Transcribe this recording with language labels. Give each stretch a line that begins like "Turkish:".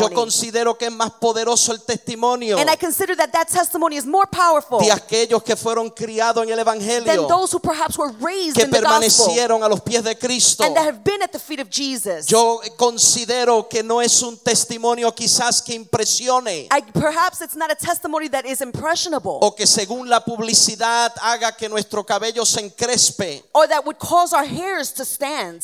Spanish: Yo considero que es más poderoso el testimonio.
English: And I consider that that testimony is more powerful.
Spanish: De aquellos que fueron criados en el evangelio.
English: Than those who perhaps were raised
Spanish: que
English: in the gospel
Spanish: a los pies de Cristo,
English: and that have been at the feet of Jesus.
Spanish: Yo considero que no es un testimonio quizás que impresione,
English: perhaps it's not a testimony that is impressionable
Spanish: o que según la publicidad haga que nuestro cabello se encrespe,
English: or that would cause our hairs to stand.